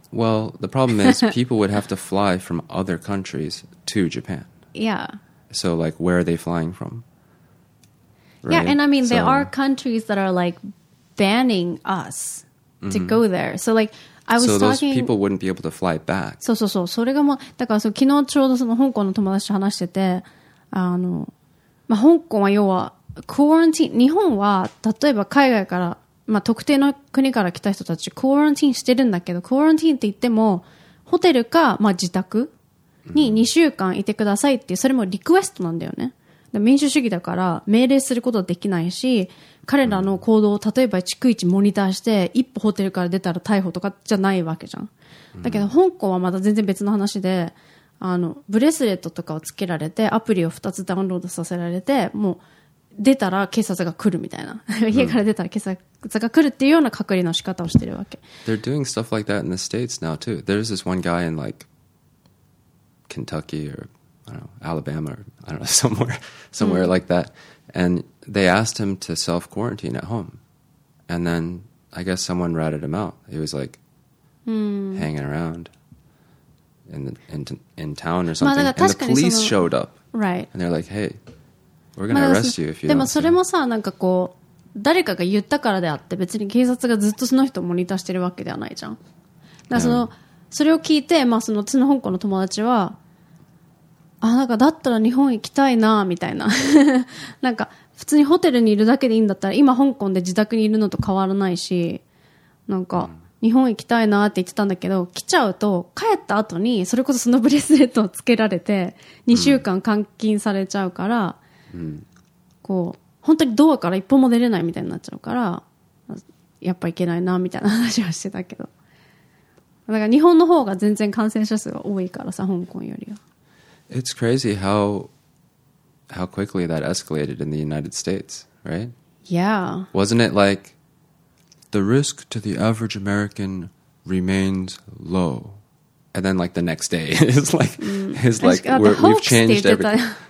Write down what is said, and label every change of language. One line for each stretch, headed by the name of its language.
English: Well, the problem is people would have to fly from other countries to Japan. Yeah. So, like, where are they flying from? Right? Yeah, and I mean, there are countries that are, like, banning us to go there. So like, I was talking... those people wouldn't be able to fly back.
Japanese: そうそうそう。それがもう、だからそう、昨日ちょうどその香港の友達と話してて、まあ、香港は要は、クォーランティーン、日本は、例えば海外から、まあ、特定の国から来た人たち、クォーランティーンしてるんだけど、クォーランティーンって言っても、ホテルか、まあ、自宅に2週間いてくださいっていう、それもリクエストなんだよね。民主主義だから命令することはできないし、彼らの行動を例えば逐一モニターして、一歩ホテルから出たら逮捕とかじゃないわけじゃん。だけど香港はまた全然別の話で、ブレスレットとかをつけられて、アプリを2つダウンロードさせられて、もう出たら警察が来るみたいな。家から出たら警察が来るっていうような隔離の仕方をしてるわけ。
English: They're doing stuff like that in the States now too. There's this one guy in like Kentucky or... I don't know, Alabama, or I don't know, somewhere like that. And they asked him to self-quarantine at home. And then I guess someone ratted him out. He was like hanging around in town or something. And the police showed up. Right. And they're like, hey, we're going to arrest you if you don't.
Japanese: でもそれもさ、なんかこう、誰かが言ったからであって、別に警察がずっとその人をモニターしてるわけではないじゃん。だからその、それを聞いて、まあその、その香港の友達は、あ、なんかだったら日本行きたいなみたいな。なんか普通にホテルにいるだけでいいんだったら、今香港で自宅にいるのと変わらないし、なんか日本行きたいなって言ってたんだけど、来ちゃうと帰った後にそれこそそのブレスレットをつけられて2週間監禁されちゃうから、こう本当にドアから一歩も出れないみたいになっちゃうから、やっぱ行けないなみたいな話はしてたけど、だから日本の方が全然感染者数が多いからさ、香港よりは。
English: It's crazy how quickly that escalated in the United States, right? Yeah. Wasn't it like, the risk to the average American remains low? And then like the next day, it's like we've changed everything.